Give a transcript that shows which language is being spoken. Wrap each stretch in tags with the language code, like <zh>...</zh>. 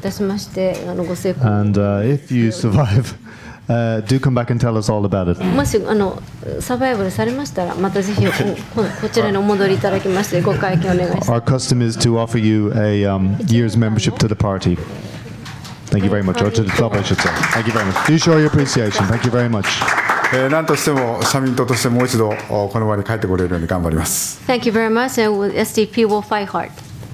<en>And if you survive... do come back and tell us all about it.</en> <ja>もしサバイバルされましたら、またぜひこちらにお戻りいただきまして、ご会見お願いします。</ja> <en>Our custom is to offer you a year's membership to the party. Thank you very much. Or to the club, I should say. Thank you very much. Do show your appreciation. Thank you very much.</en> <ja>何としても社民党としてもう一度この場に帰ってこれるように頑張ります。</ja> <en>Thank you very much, and SDP will fight hard.</en>